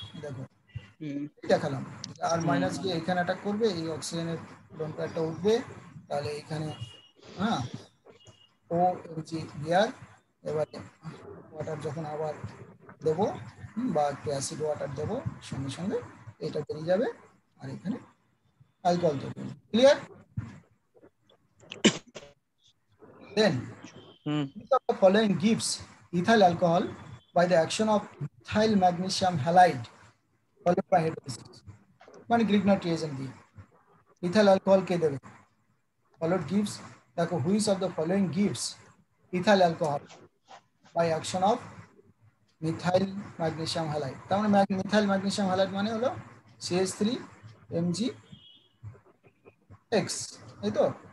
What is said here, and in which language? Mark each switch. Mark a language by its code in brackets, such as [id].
[bn] দেখো দেখালাম আর মাইনাস কি এখানে অ্যাটাক করবে, এই অক্সিজেনের ডোনারটা উঠবে, তাহলে এখানে হ্যাঁ ও এনজি বিয়ার, এবারে ওয়াটার যখন আবার দেবো বা একটু অ্যাসিড ওয়াটার দেবো সঙ্গে সঙ্গে এটা বেরিয়ে যাবে আর এখানে অ্যালকোহল তৈরি, clear? [en] Then, the following gives ethyl alcohol by the action of ethyl magnesium halide followed by hydrolysis. [bn] মানে গ্রিগনার রিঅ্যাকশন দিয়ে ইথাইল অ্যালকোহল কে দেবে, [en] followed gives, [bn] দেখো [en] which of the following gives ethyl alcohol by action of methyl magnesium halide, [bn] তার মানে methyl magnesium halide মানে হলো CS three M G x, এই তো?